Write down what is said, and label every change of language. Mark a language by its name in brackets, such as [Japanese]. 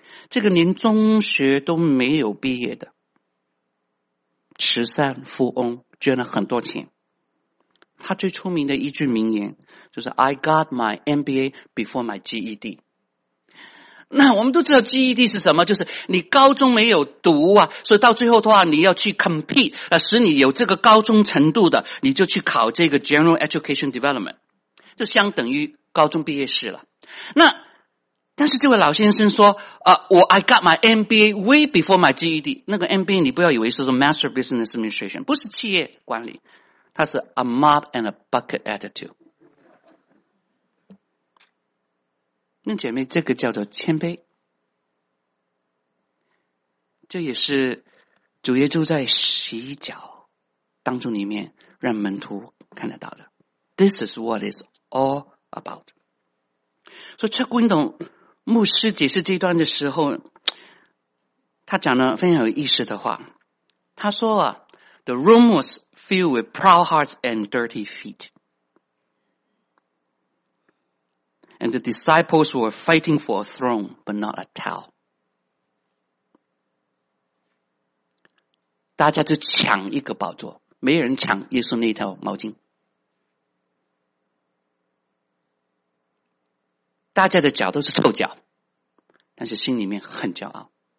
[Chinese] 这个连中学都没有毕业的慈善富翁捐了很多钱，他最出名的一句名言就是 [English] I got my MBA before my GED。 [Chinese] 那我们都知道 GED 是什么，就是你高中没有读啊，所以到最后的话你要去 compete， 使你有这个高中程度的，你就去考这个 General Education Development， 就相等于高中毕业式了。那但是这位老先生说我 [English] I got my MBA way before my GED。 [Chinese] 那个 MBA 你不要以为是说 Master Business Administration， 不是企业管理，它是 [English] a mop and a bucket attitude。 [Chinese] 那姐妹，这个叫做谦卑，这也是主耶稣在洗脚当中里面让门徒看得到的。 [English] This is what it's all about。 [Chinese] 所以 Chuck Wyndham牧师解释这段的时候，他讲了非常有意思的话。他说啊 [English] ，The room was filled with proud hearts and dirty feet, and the disciples were fighting for a throne but not a towel。 [Chinese] 大家就抢一个宝座，没人抢耶稣那条毛巾。大家的脚都是臭脚。但是心里面很骄傲。